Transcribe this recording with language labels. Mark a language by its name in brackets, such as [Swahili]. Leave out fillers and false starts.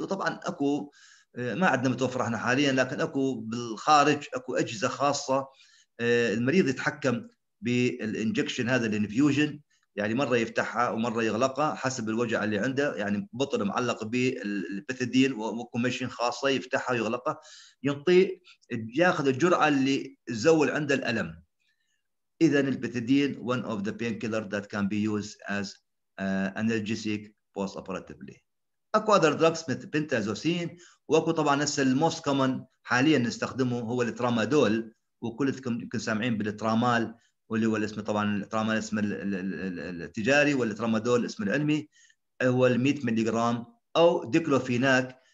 [Arabic] وطبعا أكو ما عندنا متوفر احنا حاليا، لكن أكو بالخارج أكو أجهزة خاصة المريض يتحكم بالإنجكشن هذا الانفيوجن، يعني مره يفتحها ومره يغلقها حسب الوجع اللي عنده، يعني بطل معلق بالبيثيدين وكوميشن خاصه يفتحها ويغلقها ينطي ياخذ الجرعه اللي تزول عنده الالم. اذا البيثيدين [English] one of the painkiller that can be used as analgesic post operatively. [Arabic] اكو other drugs مثل بنتازوسين، واكو طبعا هسه الموست كومن حاليا نستخدمه هو الترامادول، وكلكم يمكن سامعين بالترامال واللي هو الاسم طبعا الترامال اسم التجاري والترامادول اسم العلمي، هو 100 ملي جرام او ديكلوفيناك.